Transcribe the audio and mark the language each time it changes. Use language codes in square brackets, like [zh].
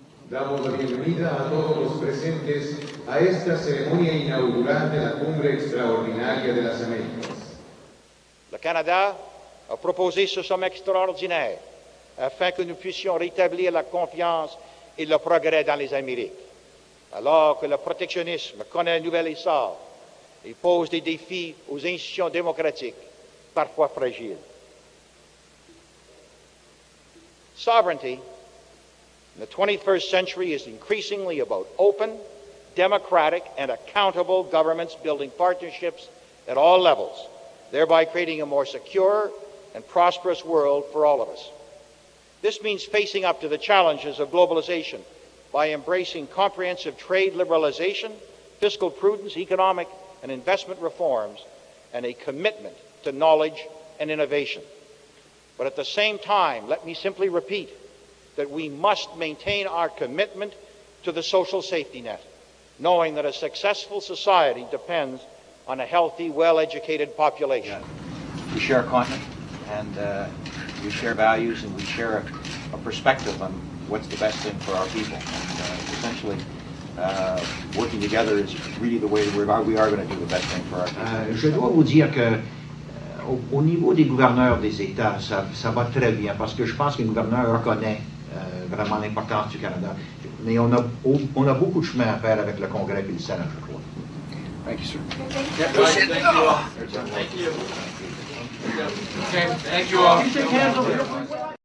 [es] Damos la bienvenida a todos los presentes a esta ceremonia inaugural de la Cumbre Extraordinaria de las Américas. [fr] Le Canada a proposé ce sommet extraordinaire afin que nous puissions rétablir la confiance et le progrès dans les Amériques. Alors que le protectionnisme connaît un nouvel essor et pose des défis aux institutions démocratiques, parfois fragiles. [en] Sovereignty in the 21st century is increasingly about open, democratic, and accountable governments building partnerships at all levels, thereby creating a more secure and prosperous world for all of us. This means facing up to the challenges of globalization by embracing comprehensive trade liberalization, fiscal prudence, economic and investment reforms, and a commitment to knowledge and innovation. But at the same time, let me simply repeat that we must maintain our commitment to the social safety net, knowing that a successful society depends on a healthy, well-educated population. Yeah. We share a continent, and we share values, and we share a perspective on what's the best thing for our people. Essentially, working together is really the way we are going to do the best thing for our people. [fr] Je dois vous dire que au niveau des gouverneurs des États, ça va très bien, parce que je pense que le gouverneur reconnaît vraiment l'importance du Canada. Mais on a beaucoup de chemin à faire avec le Congrès et le Sénat, je crois. [en] Thank you, sir. Thank you. Okay, thank you all.